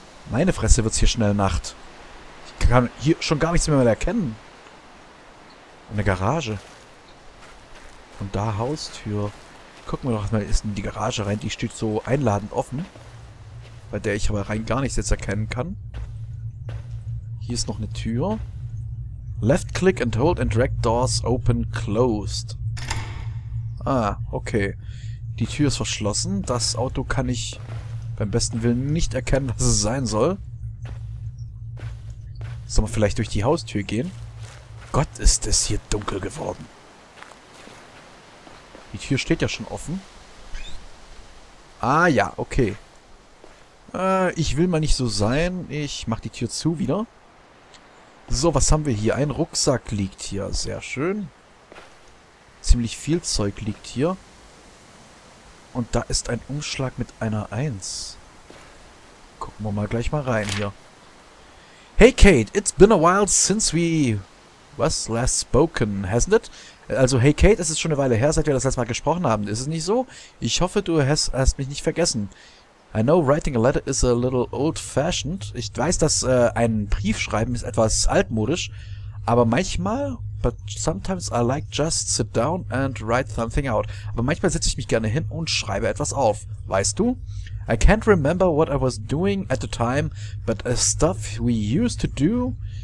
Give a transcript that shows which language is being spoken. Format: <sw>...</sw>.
<de>Meine Fresse, wird's hier schnell Nacht. Ich kann hier schon gar nichts mehr erkennen. Eine Garage. Und da Haustür. Gucken wir doch mal, ist in die Garage rein. Die steht so einladend offen. Bei der ich aber rein gar nichts jetzt erkennen kann. Hier ist noch eine Tür.</de> <en>Left click and hold and drag doors open closed.</en> <de>Ah, okay. Die Tür ist verschlossen. Das Auto kann ich beim besten Willen nicht erkennen, was es sein soll. Soll man vielleicht durch die Haustür gehen? Gott, ist es hier dunkel geworden. Die Tür steht ja schon offen. Ah ja, okay. Ich will mal nicht so sein. Ich mach die Tür zu wieder. So, was haben wir hier? Ein Rucksack liegt hier. Sehr schön. Ziemlich viel Zeug liegt hier. Und da ist ein Umschlag mit einer 1. Gucken wir mal gleich mal rein hier.</de> <en>Hey Kate, it's been a while since we...</en> <de>was?</de> <en>Last spoken, hasn't it?</en> <de>Also, hey Kate, es ist schon eine Weile her, seit wir das letzte Mal gesprochen haben. Ist es nicht so? Ich hoffe, du hast mich nicht vergessen.</de> <en>I know writing a letter is a little old-fashioned.</en> <de>Ich weiß, dass ein Brief schreiben ist etwas altmodisch. Aber manchmal...</de> <en>But sometimes I like just sit down and write something out.</en> <de>Aber manchmal setze ich mich gerne hin und schreibe etwas auf. Weißt du?</de> <en>I can't remember what I was doing at the time, but a stuff we used to do...</en>